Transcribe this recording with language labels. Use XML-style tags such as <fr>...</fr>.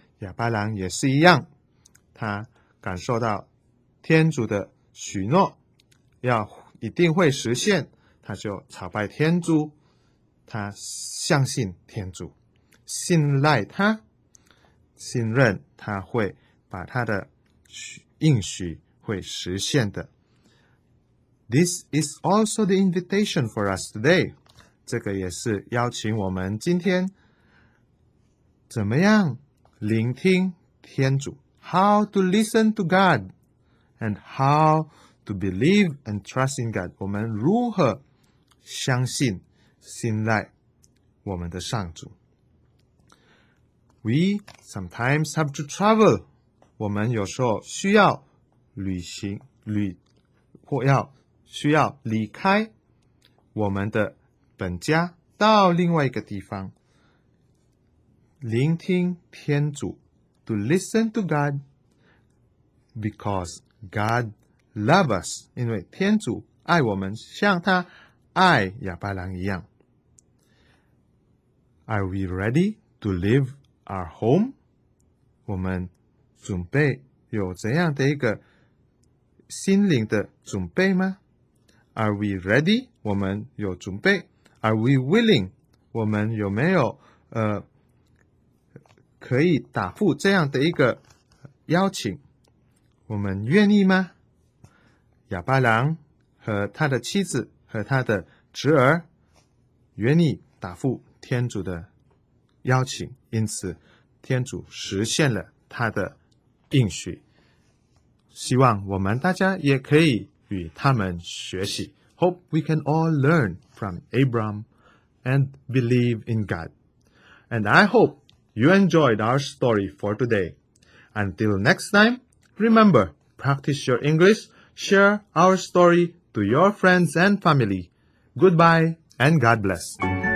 <zh>亚巴兰也是一样，他感受到天主的许诺要一定会实现，他就朝拜天主，他相信天主，信赖他，信任他会把他的应许会实现的。</zh> <en>This is also the invitation for us today，</en> <zh>这个也是邀请我们今天怎么样聆听天主，</zh> <en>How to listen to God and how to believe and trust in God，</en> <zh>我们如何相信信赖我们的上主。</zh> <en>We sometimes have to travel，</en> <zh>我们有时候需要旅行或要需要离开我们的本家到另外一个地方，聆听天主，</zh> <en>To listen to God because God loves us，</en> <zh>因为天主爱我们，像他爱亚巴兰一样。</zh> <en>Are we ready to leave our home？</en> <zh>我们准备有怎样的一个心灵的准备吗？</zh> <en>Are we ready？</en> <zh>我们有准备？</zh> <en>Are we willing？</en> <zh>我们有没有可以答复这样的一个邀请？我们愿意吗？亚巴兰和他的妻子和他的侄儿愿意答复天主的邀请，因此天主实现了他的应许。希望我们大家也可以与他们学习。</zh> <en>Hope we can all learn from Abram and believe in God. And I hope you enjoyed our story for today. Until next time, remember, practice your English, share our story to your friends and family. Goodbye and God bless.</en>